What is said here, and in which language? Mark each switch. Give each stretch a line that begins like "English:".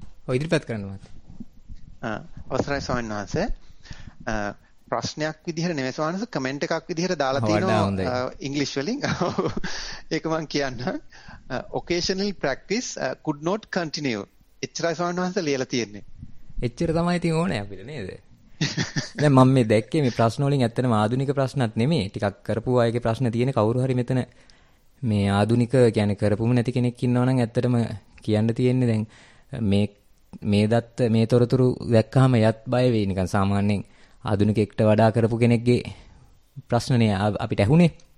Sinhala: ඉදිරිපත් කරනවා. අවසරයි ස්වාමීන් වහන්සේ. ප්‍රශ්නයක් විදිහට නෙමෙයි ස්වාමීන් වහන්සේ, කමෙන්ට් එකක් විදිහට දාලා තියෙනවා ඉංග්‍රීසි වලින්. ඒක මම කියන්නම්.
English: occasional practice could not continue.
Sinhala: එච්චරයි ස්වාමීන් වහන්සේ ලියලා තියෙන්නේ. එච්චර තමයි තියෙන්නේ ඕනේ අපිට නේද? දැන් මම මේ දැක්කේ මේ ප්‍රශ්න වලින් ඇත්තටම ආධුනික ප්‍රශ්නත් නෙමෙයි. ටිකක් කරපු අයගේ ප්‍රශ්න තියෙන කවුරු හරි මෙතන මේ ආධුනික කියන්නේ කරපුම නැති කෙනෙක් ඉන්නවා නම් ඇත්තටම කියන්න තියෙන්නේ දැන් මේ මේ දත්ත මේ තොරතුරු දැක්කහම යත් බය වෙයි නිකන් සාමාන්‍යයෙන් ආධුනිකෙක්ට වඩා කරපු කෙනෙක්ගේ ප්‍රශ්නනේ අපිට ඇහුනේ.